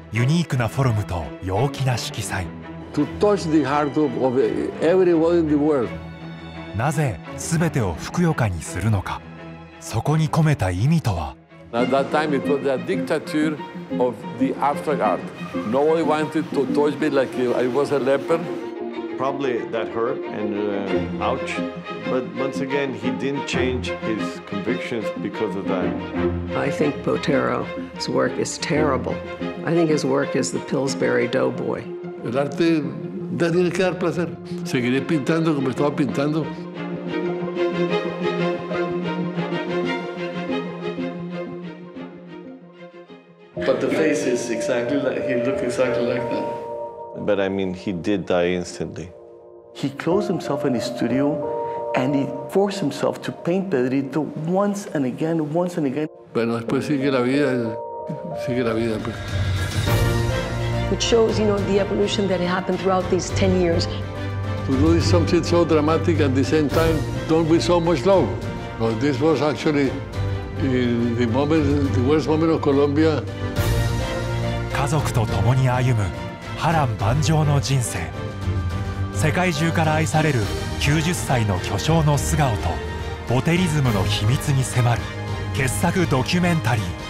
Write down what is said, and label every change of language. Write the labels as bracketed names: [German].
[Japanese] 一度目にしたら忘れられないユニークなフォルムと陽気な色彩. [English] To touch the heart of everyone in the world. [Japanese] なぜ全てをふくよかにするのか?そこに込めた意味とは? [English] At that time it was a dictature of the abstract art. Nobody wanted to touch me like I was a leper. Probably that hurt and ouch, but once again, he didn't change his convictions because of that. I think Botero's work is terrible. I think his work is the Pillsbury Doughboy. [Spanish] El arte da tiene que dar placer. Seguiré pintando como estaba pintando. [English] But the face is exactly like, he looked exactly like that. But I mean, he did die instantly. He closed himself in his studio and he forced himself to paint Pedrito once and again, once and again. [Spanish] Bueno, después sigue la vida, pues. [English] Which shows, you know, the evolution that happened throughout these 10 years. To do something so dramatic at the same time, don't be so much love. But this was actually the moment, the worst moment of Colombia. [Japanese] 家族と共に歩む波乱万丈の人生。世界中から愛される 90歳の巨匠の素顔と ボテリズムの秘密に迫る 傑作ドキュメンタリー